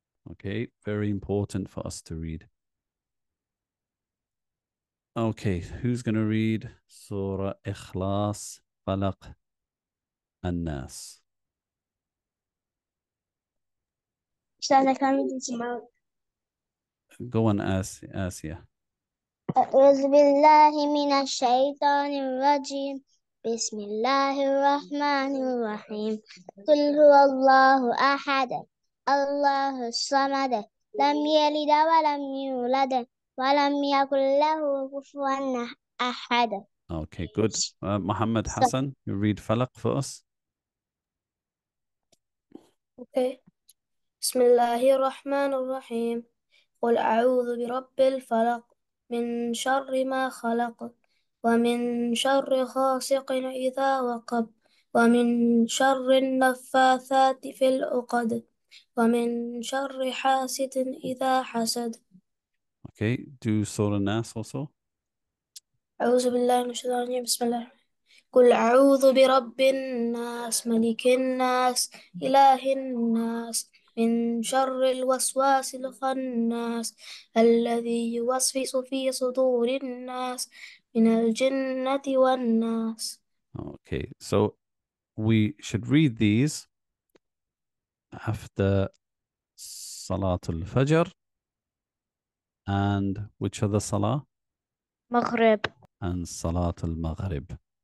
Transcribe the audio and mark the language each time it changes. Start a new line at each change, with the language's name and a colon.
English: Okay, very important for us to read. Okay, who's going to read Surah Ikhlas, Falaq, and Nas? Shall I come into your mouth? Go on, Asia.
Arabic: أعوذ بالله من الشيطان الرجيم بسم الله الرحمن الرحيم قل هو الله أحد الله الصمد لم يلد ولم يولد ولم يكن له كفوا أحد.
English: Okay, good. Muhammad Hassan, you read Falaq for us. Okay.
Arabic: بسم الله الرحمن الرحيم قل أعوذ برب الفلق من شر ما خلق ومن شر غاسق إذا وقب ومن شر النفاثات في العقد ومن شر حاسد إذا حسد.
English: Okay, do Surah Nas also.
Arabic: أعوذ بالله من الشيطان الرجيم بسم الله الرحمن الرحيم قل أعوذ برب الناس ملك الناس إله الناس من شر الوسواس الخناس الذي يوسوس في صدور الناس من الجنة والناس.
English: Okay, so we should read these after Salatul Fajr. And which are the Salah? Maghrib. And Salatul Maghrib.